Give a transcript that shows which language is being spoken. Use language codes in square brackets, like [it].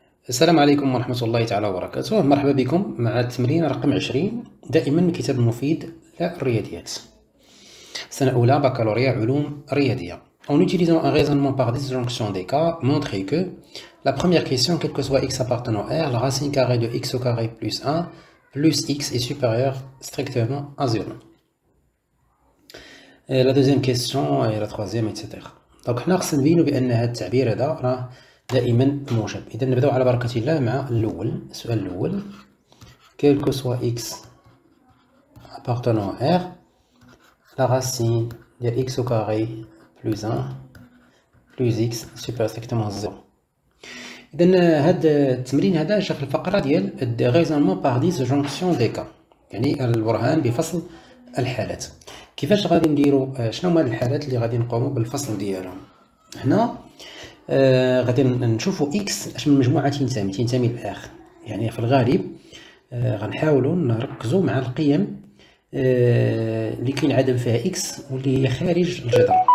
[ar] السلام عليكم ورحمة الله تعالى وبركاته، مرحبا بكم مع التمرين رقم 20، دائما كتاب مفيد للرياضيات. سنة أولى بكالوريا علوم رياضية. [fr] En utilisant un raisonnement par disjonction des cas, montrez que la première question, quel que soit x appartenant à R, la racine carrée de x au carré plus 1 plus x est supérieure strictement à 0. Et la deuxième question et la troisième, etc. Donc, nous avons dit que ce terme est [ar] دائما موجب. إذا نبدأ على بركة الله مع الأول. السؤال الأول، [fr] quel que soit x appartenant à R، la racine de x au carré plus 1 plus x super strictement 0. [ar] إذا هذا التمرين هذا شكل الفقرة ديال [fr] raisonnement par disjonction des cas، [ar] يعني البرهان بفصل الحالات. كيفاش غادي نديرو، شنو هما الحالات اللي غادي نقومو بالفصل ديالهم؟ هنا غادي نشوفو اكس اش من مجموعة تنتمي، تنتمي لاخ، يعني في الغالب غنحاولو نركزو مع القيم اللي كاين عدم فيها اكس واللي هي خارج الجذر.